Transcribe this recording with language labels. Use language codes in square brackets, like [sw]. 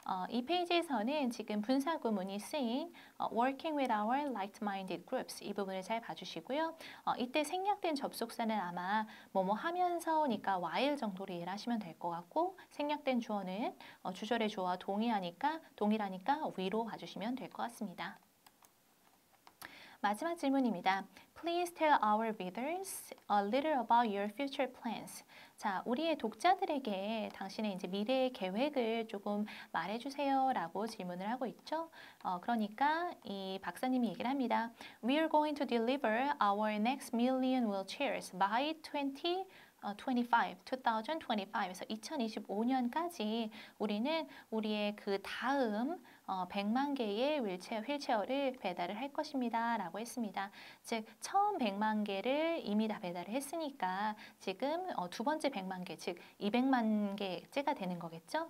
[ko] 이 페이지에서는 지금 분사구문이 쓰인 [en] working with our like-minded groups [ko] 이 부분을 잘 봐주시고요. 이때 생략된 접속사는 아마 뭐뭐 하면서니까 while 정도로 이해를 하시면 될 것 같고 생략된 주어는 주절의 주어와 동일하니까 위로 봐주시면 될 것 같습니다. 마지막 질문입니다. [en] Please tell our readers a little about your future plans. [ko] 자, 우리의 독자들에게 당신의 이제 미래의 계획을 조금 말해주세요 라고 질문을 하고 있죠. 그러니까 이 박사님이 얘기를 합니다. [en] We are going to deliver our next million wheelchairs by 2025. [ko] 2025에서 2025년까지 우리는 우리의 그 다음 100만 개의 휠체어를 배달을 할 것입니다 라고 했습니다. 즉 처음 100만 개를 이미 다 배달을 했으니까 지금 두 번째 100만 개, 즉 200만 개째가 되는 거겠죠.